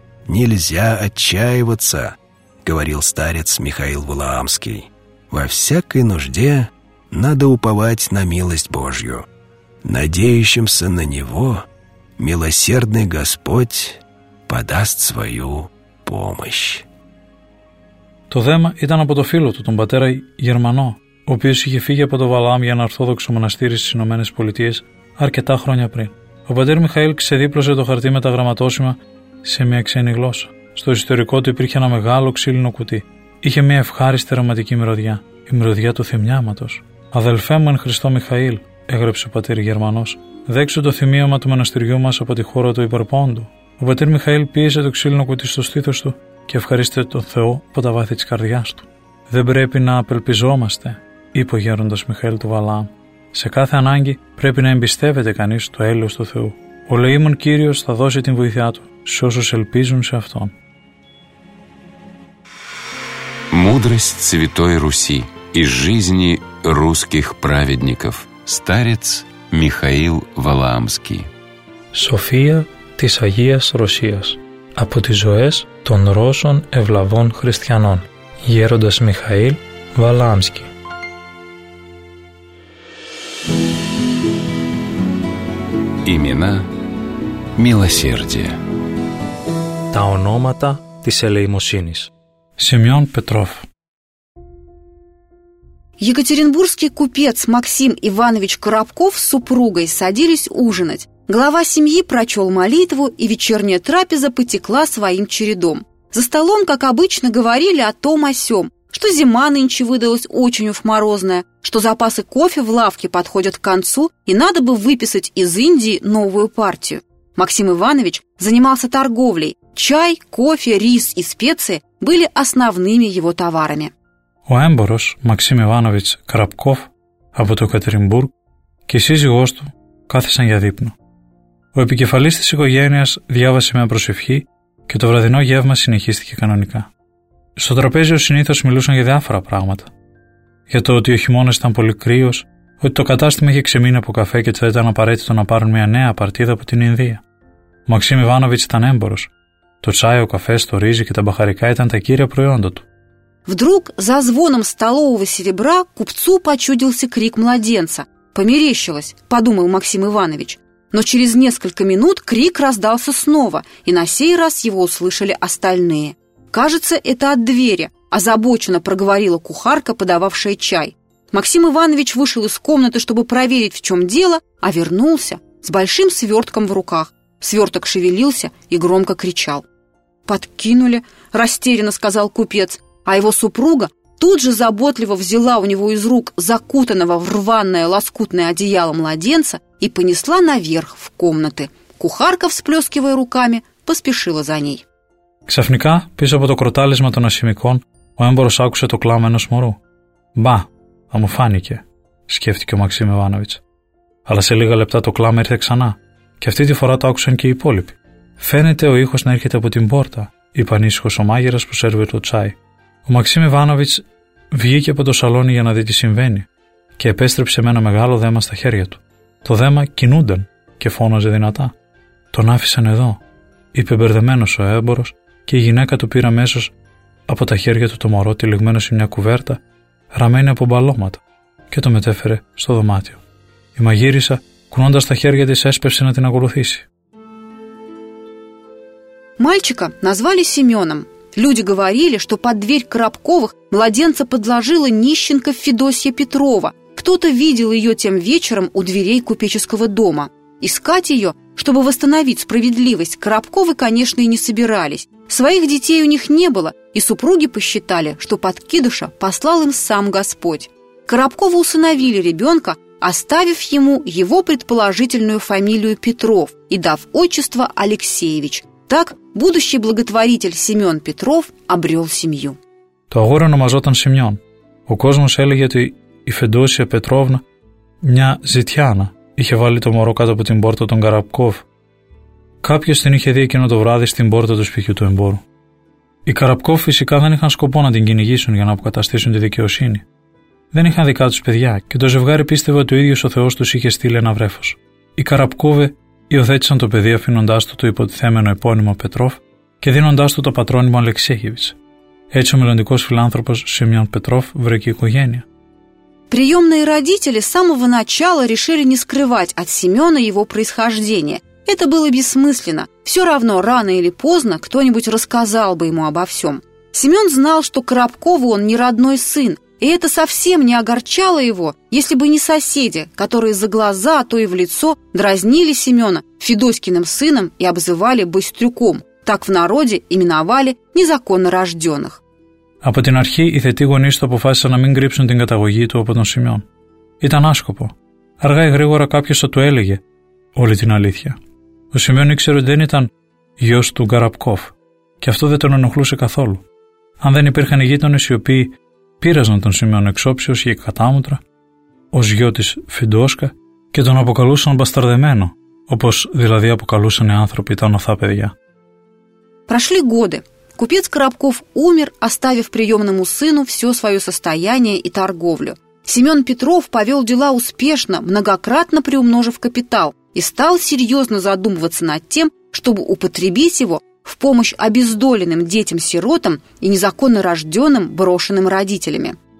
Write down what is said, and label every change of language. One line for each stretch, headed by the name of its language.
Russian: «Нельзя отчаиваться», — говорил старец Михаил Валаамский. во всякой нужде надо уповать на милость Божью. Надеющимся на Него, милосердный Господь подаст свою помощь.
Greek: Το θέμα ήταν από το φίλο του, τον πατέρα Γερμανό, ο οποίος είχε φύγει από το Βαλάμ για ένα ορθόδοξο μοναστήρι στις Ηνωμένες Πολιτείες αρκετά χρόνια πριν. Ο πατέρα Μιχαήλ ξεδίπλωσε το χαρτί με τα γραμματόσημα σε μια ξένη γλώσσα. Στο ιστορικό του υπήρχε ένα μεγάλο ξύλινο κουτί. Είχε μια ευχάριστη αρωματική μυρωδιά, η μυρωδιά του θυμιάματος. «Αδελφέ μου εν Χριστώ Μιχαήλ», έγραψε ο πατήρ Γερμανός, «δέξω το θυμίωμα του μοναστηριού μας από τη χώρα του υπερπόντου». Ο πατήρ Μιχαήλ πίεσε το ξύλινο κουτί στο στήθος του και ευχαρίστησε τον Θεό από τα βάθη της καρδιάς του. «Δεν πρέπει να απελπιζόμαστε», είπε ο γέροντας Μιχαήλ του Βαλάμ. «Σε κάθε ανάγκη πρέπει να εμπιστεύεται κανείς το έλεος του Θεού. Ο λεήμων Κύριος θα δώσει την βοήθειά του σε όσους ελπίζουν σε Αυτόν».
Russian: Мудрость Святой Руси из жизни русских праведников. Старец Михаил Валаамский.
Greek: София της Αγίας Ρωσίας. Από τις ζωές των Ρώσων ευλαβών χριστιανών. Γέροντας Μιχαήλ Βαλάμσκι.
Russian: Имена милосердия.
Greek: Τα ονόματα της ελεημοσύνης.
Russian: Семён Петров. Екатеринбургский купец Максим Иванович Коробков с супругой садились ужинать. Глава семьи прочел молитву, и вечерняя трапеза потекла своим чередом. За столом, как обычно, говорили о том о сём, что зима нынче выдалась очень уж морозная, что запасы кофе в лавке подходят к концу, и надо бы выписать из Индии новую партию. Максим Иванович занимался торговлей. Чай, кофе, рис и специи были основными его товарами.
Greek: Ο έμπορος Максим Иванович Коробков από το Екатеринбург και η σύζυγός του κάθισαν για δείπνο. Ο επικεφαλής της οικογένειας διάβασε μια προσευχή και το βραδινό γεύμα συνεχίστηκε κανονικά. Στο τραπέζι ο συνήθως μιλούσαν για διάφορα πράγματα. Για το ότι ο χειμώνας ήταν πολύ κρύος, ότι το κατάστημα είχε ξεμείνει από καφέ και ότι θα ήταν απαραίτητο να πάρουν μια νέα παρτίδα από την Ινδία. Ο Μαξίμ Ιβάνοβιτς ήταν έμπορος. Το τσάι, ο καφές, το ρύζι και τα μπαχαρικά ήταν τα κύρια προϊόντα του.
Russian: Вдруг за звоном столового серебра купцу почудился крик младенца. «Померещилось», — подумал Максим Иванович. Но через несколько минут крик раздался снова, и на сей раз его услышали остальные. «Кажется, это от двери», — озабоченно проговорила кухарка, подававшая чай. Максим Иванович вышел из комнаты, чтобы проверить, в чем дело, а вернулся с большим свертком в руках. Сверток шевелился и громко кричал. «Подкинули», — растерянно сказал купец. А его супруга тут же заботливо взяла у него из рук закутанного в рваное лоскутное одеяло младенца и понесла наверх в комнаты. Кухарка, всплескивая руками, поспешила за ней.
Greek: Ξαφνικά, πίσω από το κροτάλισμα των ασημικών, ο έμπορος άκουσε το κλάμα ενός μωρού. «Μπα, θα μου φάνηκε», σκέφτηκε ο Μαξίμ Ιβάνοβιτς. Αλλά σε λίγα λεπτά το κλάμα ήρθε ξανά και αυτή τη φορά το άκουσαν και οι υπόλοιποι. «Φαίνεται ο ήχος να έρχεται από την πόρτα», είπε ανήσυχος ο μάγειρας που σέρβιρε το τσάι. Ο Μαξίμ Ιβάνοβιτς βγήκε από το σαλόνι για να δει τι συμβαίνει και επέστρεψε με ένα μεγάλο δέμα στα χέρια του. Το δέμα κινούνταν και φώναζε δυνατά. «Τον άφησαν εδώ», είπε μπερδεμένος ο έμπορος και η γυναίκα του πήρε αμέσως από τα χέρια του το μωρό τυλιγμένο σε μια κουβέρτα ραμμένη από μπαλώματα και το μετέφερε στο δωμάτιο. Η μαγείρισα, κουνώντας τα χέρια της, έσπευσε να την ακολουθήσει.
Russian: Μάλτσικα, назвали Семёном. Люди говорили, что под дверь Коробковых младенца подложила нищенка Федосья Петрова. Кто-то видел ее тем вечером у дверей купеческого дома. Искать ее, чтобы восстановить справедливость, Коробковы, конечно, и не собирались. Своих детей у них не было, и супруги посчитали, что подкидыша послал им сам Господь. Коробковы усыновили ребенка, оставив ему его предположительную фамилию Петров и дав отчество Алексеевич. Так будущий благотворитель Семён Петров обрел семью.
Greek: Το αγόρι ονομαζόταν Семён. Ο κόσμος έλεγε ότι η Φεντόσια Πετρόβνα, μια ζητιάνα, είχε βάλει το μωρό κάτω από την πόρτα των Καραπκόφ. Κάποιος την είχε δει εκείνο το βράδυ στην πόρτα του σπιτιού του εμπόρου. Οι Καραπκόφ φυσικά δεν είχαν σκοπό να την κυνηγήσουν για να αποκαταστήσουν τη δικαιοσύνη. Δεν είχαν δικά τους παιδιά και το ζευγάρι πίστευε ότι ο ίδιος ο Θεός τους είχε στείλει ένα βρέφος. Οι Καραπκόβε υιοθέτησαν το παιδί αφήνοντάς του το υποτιθέμενο επώνυμο Πετρόφ και δίνοντάς του το πατρόνυμο Αλεξέγεβιτς. Έτσι ο μελλοντικός φιλάνθρωπος Σιμιών Πετρόφ βρήκε οικογένεια.
Russian: Приемные родители с самого начала решили не скрывать от Семена его происхождение. Это было бессмысленно. Все равно, рано или поздно, кто-нибудь рассказал бы ему обо всем. Семен знал, что Коробкову он не родной сын. И это совсем не огорчало его, если бы не соседи, которые за глаза, а то и в лицо, дразнили Семена Федоськиным сыном и обзывали «быстрюком». Так в народе именовали незаконно рожденных.
Greek: Από την αρχή, οι θετοί γονείς του αποφάσισαν να μην κρύψουν την καταγωγή του από τον Σιμεών. Ήταν άσκοπο. Αργά ή γρήγορα κάποιος θα του έλεγε όλη την αλήθεια. Ο Σιμεών ήξερε ότι δεν ήταν γιος του Καραπκόφ, και αυτό δεν τον ενοχλούσε καθόλου. Αν δεν υπήρχαν οι γείτονες οι οποίοι πείραζαν τον Σιμεών εξόψιος και κατάμουτρα, ως γιο της Φιντόσκα, και τον αποκαλούσαν μπασταρδεμένο, όπως δηλαδή αποκαλούσαν οι άνθρωποι τα νοθά παιδιά.
Russian: Прошли годы. Купец Коробков умер, оставив приемному сыну все свое состояние и торговлю. Семен Петров повел дела успешно, многократно приумножив капитал, и стал серьезно задумываться над тем, чтобы употребить его в помощь обездоленным детям-сиротам и незаконно рожденным брошенным родителями.